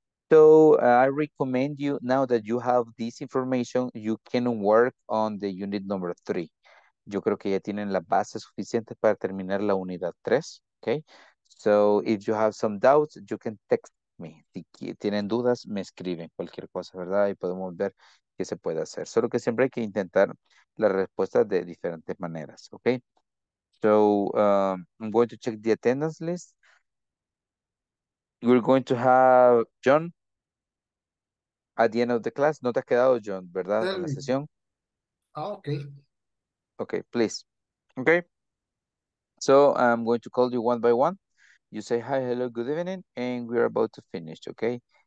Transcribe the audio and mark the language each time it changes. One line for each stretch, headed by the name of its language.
English: So I recommend you, now that you have this information, you can work on the unit number 3.
Spanish: Yo creo que ya tienen la base suficiente para terminar la unidad 3.
English: Okay, so if you have some doubts, you can text me.
Spanish: Si tienen dudas, me escriben cualquier cosa, ¿verdad? Y podemos ver qué se puede hacer. Solo que siempre hay que intentar la respuesta de diferentes maneras, ¿ok?
English: So, I'm going to check the attendance list. We're going to have John at the end of the class.
Spanish: ¿No te has quedado, John, verdad, en la sesión?
English: Ah, okay. Okay, please. Okay. So, I'm going to call you one by one. You say hi, hello, good evening, and we're about to finish, okay?